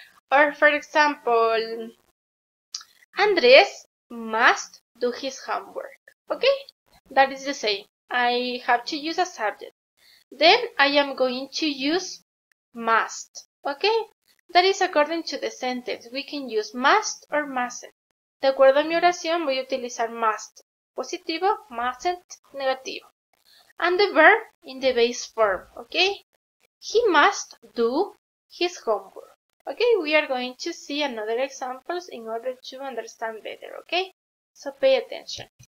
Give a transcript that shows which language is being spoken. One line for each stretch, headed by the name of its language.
English: Or for example, Andres must do his homework, okay? That is the same. I have to use a subject. Then I am going to use must, okay? That is according to the sentence. We can use must or mustn't.
Spanish: De acuerdo a mi oración, voy a utilizar must. Positivo, mustn't, negativo.
English: And the verb in the base form, okay? He must do his homework. Okay, we are going to see another examples in order to understand better, okay? So pay attention.